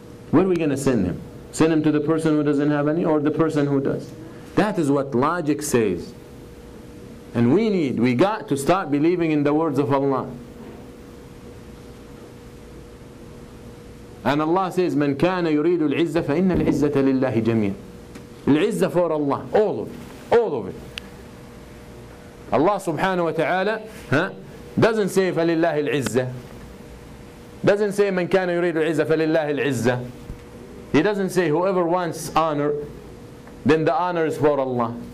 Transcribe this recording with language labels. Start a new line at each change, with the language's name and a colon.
English: Where are we going to send him? Send him to the person who doesn't have any or the person who does? That is what logic says. And we got to start believing in the words of Allah. And Allah says,
Arabic: من كان يريد العزة فإن العزة لله جميع.
English: العزة for Allah, all of it. Allah subhanahu wa ta'ala doesn't say
Arabic: فلله العزة,
English: doesn't say
Arabic: من كان يريد العزة فلله العزة.
English: He doesn't say whoever wants honor, then the honor is for Allah.